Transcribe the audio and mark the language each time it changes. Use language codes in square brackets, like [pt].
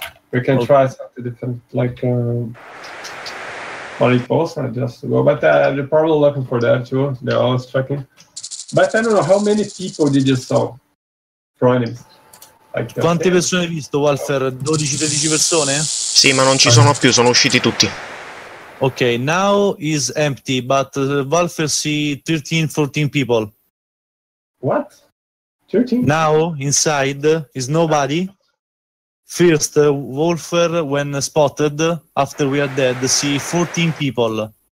[en] We can try something different, like what it was, and just go. But you're probably looking for that too. They're always checking. But I don't know how many people did you saw from him. [it] Quante persone hai visto, Walfer? 12-13 persone? Sì, ma non ci sono più, sono usciti tutti. [en] Ok, now is empty, but Walfer see 13-14 people. What? 13? Now, inside, is nobody. First, Walfer, when spotted, after we are dead, see 14 people.